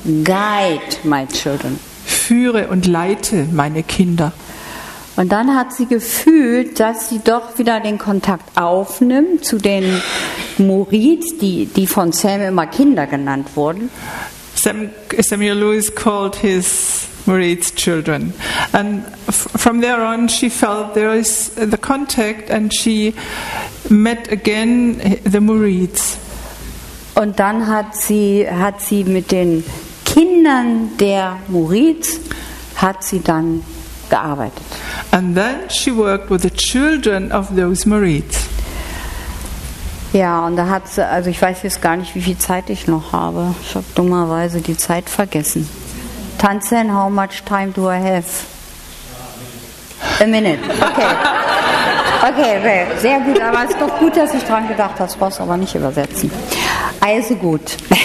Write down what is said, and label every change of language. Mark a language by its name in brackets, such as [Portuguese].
[English] Guide my children. [German] Führe und leite meine Kinder. Und dann hat sie gefühlt, dass sie doch wieder den Kontakt aufnimmt zu den Morits, die von Sam immer Kinder genannt wurden. [English] Samuel Lewis called his Morits children. And from there on she felt there is the contact and she met again the Morits. [German] Und dann hat sie mit den Kindern der Morits hat sie dann gearbeitet. [English] And then she worked with the children of those Morits. [German] Ja, und da hat sie, also ich weiß jetzt gar nicht, wie viel Zeit ich noch habe. Ich habe dummerweise die Zeit vergessen. Tanzen, [English] how much time do I have? A minute. [German] Okay, sehr gut. Aber es ist doch gut, dass ich dran gedacht habe. Das brauchst du aber nicht übersetzen. Also gut.